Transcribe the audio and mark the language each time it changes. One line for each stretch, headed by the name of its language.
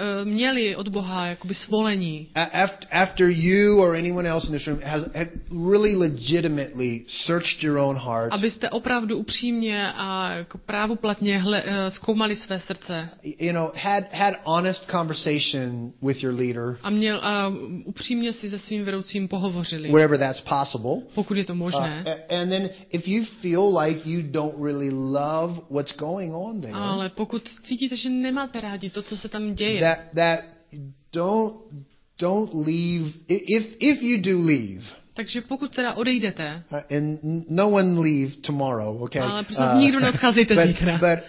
Czech: Měli od Boha jakoby svolení.
English: After you or anyone else in this room has really legitimately searched your own heart.
Czech: Abyste opravdu upřímně a jako právoplatně zkoumali své srdce.
English: You know, had honest conversation with your leader.
Czech: A měl upřímně si se svým vedoucím pohovořili.
English: Wherever that's possible.
Czech: Pokud je to možné.
English: And then if you feel like you don't really love what's going on there.
Czech: Ale pokud cítíte, že nemáte rádi to, co se tam děje.
English: That don't leave if you do leave.
Czech: Takže pokud teda odejdete.
English: And no one leave tomorrow, okay?
Czech: Ale nikdo neodcházejte zítra.